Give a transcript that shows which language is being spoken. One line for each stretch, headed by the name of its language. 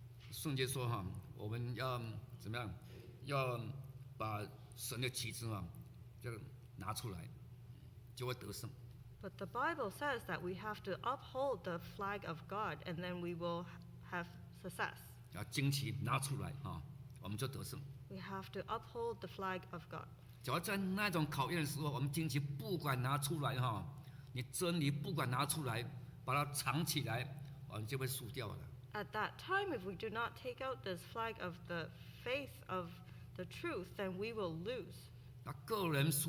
Chinese: 圣经说，我们要把神的旗帜拿出来，就会得胜。
English: But the Bible says that we have to uphold the flag of God, and then we will have success.
Chinese: 要旌旗拿出来，我们就得胜。
English: We have to uphold the flag of God.
Chinese: 假如在那种考验的时候，我们旌旗不管拿出来，哈。你真理不管拿出来，把它藏起来，你就会输掉了。
English: At that time, if we do not take out this flag of the faith of the truth, then we will lose.